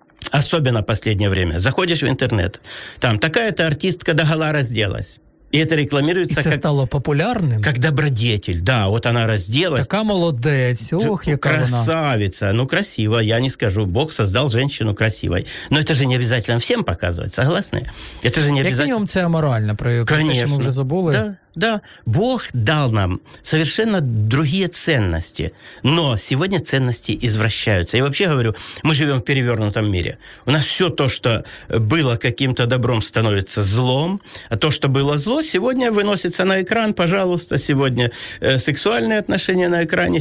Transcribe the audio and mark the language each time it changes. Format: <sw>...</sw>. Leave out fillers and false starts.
<ru>Особенно в последнее время. Заходишь в интернет, там такая-то артистка догола разделась. И это рекламируется и стало популярным. Как добродетель. Да, вот она разделась.</ru> <uk>Така молодець. Ох, яка</uk> <ru>красавица.</ru> <uk>Вона.</uk> <ru>Ну, красиво, я не скажу. Бог создал женщину красивой. Но это же не обязательно всем показывать, согласны? Это же не обязательно.</ru> <uk>Як мінімум, це аморально, про яку ми вже забули. Да, да.</uk> <ru>Бог дал нам совершенно другие ценности. Но сегодня ценности извращаются. Я вообще говорю, мы живем в перевернутом мире. У нас все то, что было каким-то добром, становится злом. А то, что было зло, сегодня выносится на экран. Пожалуйста, сегодня сексуальные отношения на экране.</ru>